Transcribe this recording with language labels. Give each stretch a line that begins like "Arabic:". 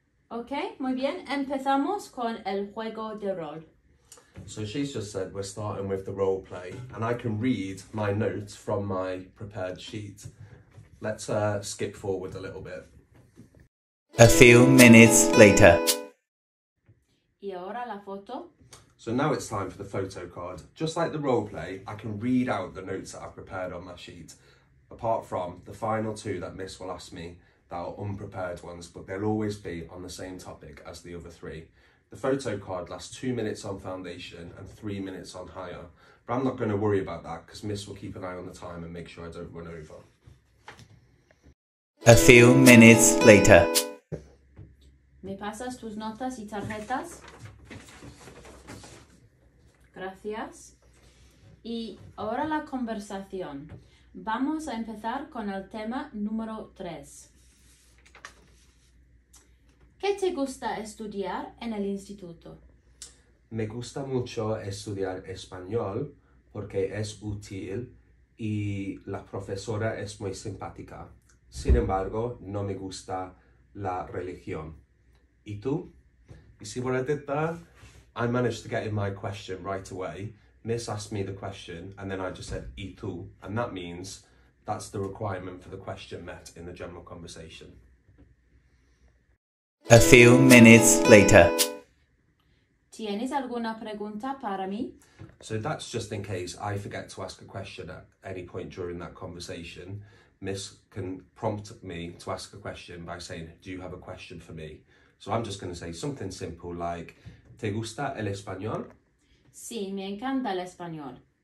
Spanish: Okay, muy bien, empezamos con el juego de rol.
English: So she's just said we're starting with the role play and I can read my notes from my prepared sheet. Let's skip forward a little bit. A few minutes later.
Spanish: ¿Y ahora la foto?
English: So now it's time for the photo card. Just like the role play, I can read out the notes that I've prepared on my sheet. Apart from the final two that Miss will ask me that are unprepared ones, but they'll always be on the same topic as the other three. The photo card lasts 2 minutes on foundation and 3 minutes on higher. But I'm not going to worry about that because Miss will keep an eye on the time and make sure I don't run over. A few minutes later.
Spanish: ¿Me pasas tus notas y tarjetas? Gracias. Y ahora la conversación. Vamos a empezar con el tema número 3. ¿Qué te gusta estudiar en el instituto? Me gusta mucho estudiar español porque es útil y la profesora es muy simpática. Sin embargo, no me gusta la religión. ¿Y tú?
English: You see what I did there? I managed to get in my question right away. Miss asked me the question and then I just said,
Spanish: ¿y tú?
English: And that means that's the requirement for the question met in the general conversation. A few minutes later.
Spanish: ¿Tienes alguna pregunta para mí?
English: So that's just in case I forget to ask a question at any point during that conversation. Miss can prompt me to ask a question by saying, do you have a question for me? So I'm just going to say something simple like,
Spanish: ¿te gusta el español? Sí, me encanta el español.